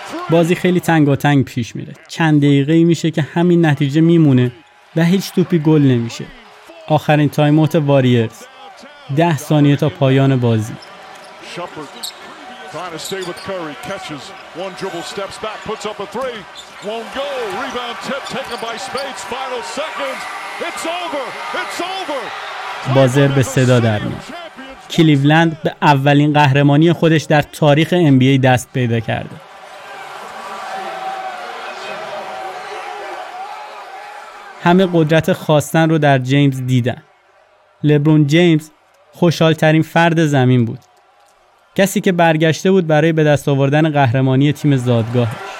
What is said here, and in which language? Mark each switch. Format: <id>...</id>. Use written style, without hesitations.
<fa>بازی خیلی تنگاتنگ پیش میره. چند دقیقه میشه که همین نتیجه میمونه و هیچ توپی گل نمیشه. آخرین تایم اوت واریرز 10 ثانیه تا پایان بازی.</fa> <en>Shumpert trying to stay with Curry, catches one dribble, steps back, puts up a three, won't go, rebound tip taken by Spades, final seconds, it's over, it's over.</en> <fa>بازر به صدا در میاد. کلیولند به اولین قهرمانی خودش در تاریخ NBA دست پیدا کرده. همه قدرت خواستن رو در جیمز دیدن. لبرون جیمز خوشحالترین فرد زمین بود، کسی که برگشته بود برای به دست آوردن قهرمانی تیم زادگاهش.</fa>